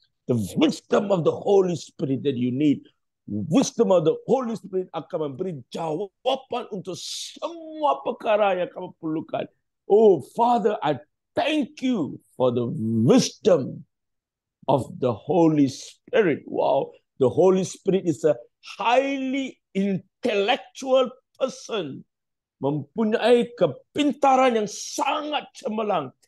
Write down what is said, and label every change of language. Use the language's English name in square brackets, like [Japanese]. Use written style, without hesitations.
[English] The wisdom of the Holy Spirit that you need. Wisdom of the Holy Spirit [Malay] akan memberi jawapan untuk semua perkara yang kamu perlukan. [English] Oh, Father, I thank you for the wisdom of the Holy Spirit. Wow, the Holy Spirit is a highly intellectual person. [Malay] Mempunyai kepintaran yang sangat cemerlang.